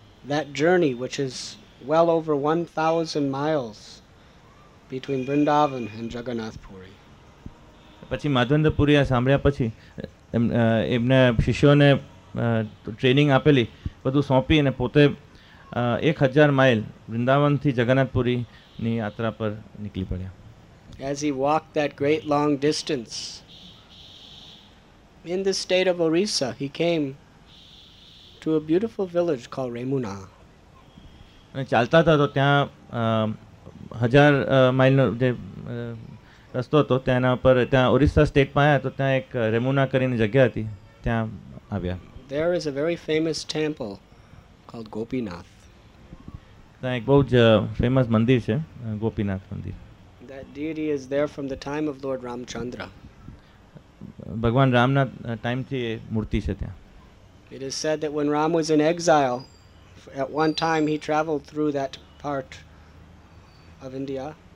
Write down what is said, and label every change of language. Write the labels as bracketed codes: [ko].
[en] That journey, which is well over 1,000 miles between Vrindavan and Jagannath Puri. [gu] પછી માધવેન્દ્રપુરી આ સાંભળ્યા પછી એમને શિષ્યોને ટ્રેનિંગ આપેલી બધું સોંપી અને પોતે 1,000 માઇલ વૃંદાવનથી જગન્નાથપુરીની યાત્રા પર નીકળી પડ્યા. [en] As he walked that great long distance in the state of Orissa, he came to a beautiful village called Remuna. [gu] અને ચાલતા હતા તો ત્યાં 1,000 માઇલનો જે રસ્તો હતો તેના પર ત્યાં ઓરિસ્સા સ્ટેટમાં આવ્યા તો ત્યાં એક રેમુના કરીને જગ્યા હતી ત્યાં આવ્યા. [en] There is a very famous temple called Gopinath. [gu] ત્યાં એક બહુ જ ફેમસ મંદિર છે ગોપીનાથ મંદિર. [en] That deity is there from the time of Lord Ramchandra. [gu] ભગવાન રામના ટાઈમથી એ મૂર્તિ છે ત્યાં. [en] It is said that when Ram was in exile, at one time he traveled through that part of India.